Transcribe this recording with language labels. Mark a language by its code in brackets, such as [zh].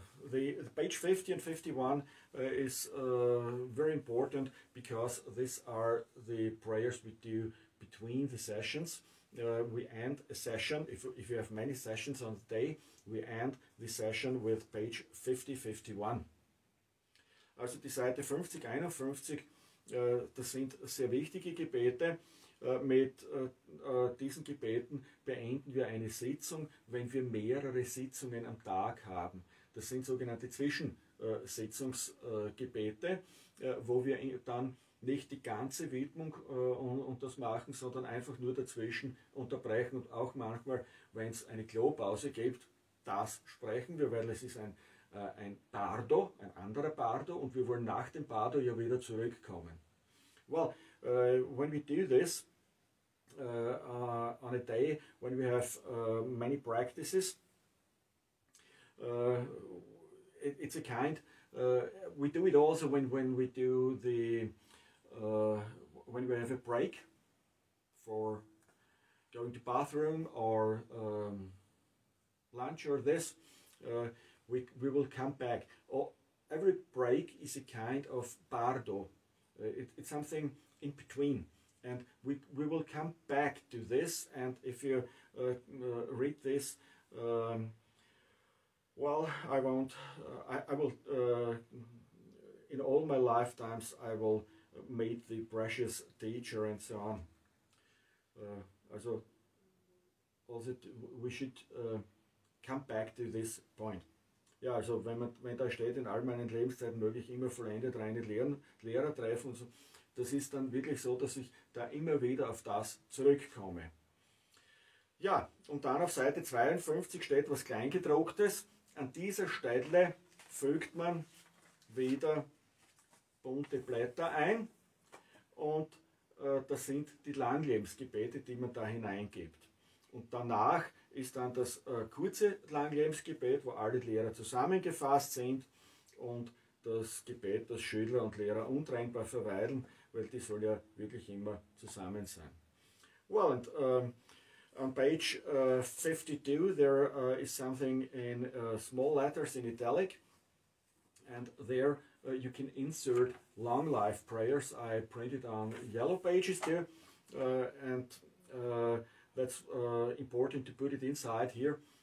[en] The page 50 and 51 is very important, because these are the prayers we do between the sessions. We end a session, if you have many sessions on the day, we end the session with page 50, 51. [de] Also die Seite 50, 51, das sind sehr wichtige Gebete. Mit diesen Gebeten beenden wir eine Sitzung, wenn wir mehrere Sitzungen am Tag haben. Das sind sogenannte Zwischensitzungsgebete, wo wir dann nicht die ganze Widmung und das machen, sondern einfach nur dazwischen unterbrechen, und auch manchmal, wenn es eine Klopause gibt, das sprechen wir, weil es ist ein Bardo, ein anderer Bardo, und wir wollen nach dem Bardo ja wieder zurückkommen. [en] Well, when we do this, on a day when we have many practices, it's a kind. We do it also when we do the when we have a break for going to bathroom or lunch or this. We will come back. Oh, every break is a kind of bardo. It's something in between. And we will come back to this. And if you read this, in all my lifetimes, I will meet the precious teacher and so on. We should come back to this point. [de] Ja, also wenn da steht, in all meinen Lebenszeiten möge ich immer vollendet reine Lehrer treffen und so, das ist dann wirklich so, dass ich da immer wieder auf das zurückkomme. Ja, und dann auf Seite 52 steht was Kleingedrucktes. An dieser Stelle fügt man wieder bunte Blätter ein und das sind die Langlebensgebete, die man da hineingibt. Und danach ist dann das kurze Langlebensgebet, wo alle Lehrer zusammengefasst sind und das Gebet, das Schüler und Lehrer untrennbar verweilen, weil die soll ja wirklich immer zusammen sein. [en] Well, and on page 52 there is something in small letters in italic and there you can insert long life prayers. I printed on yellow pages there and that's important to put it inside here.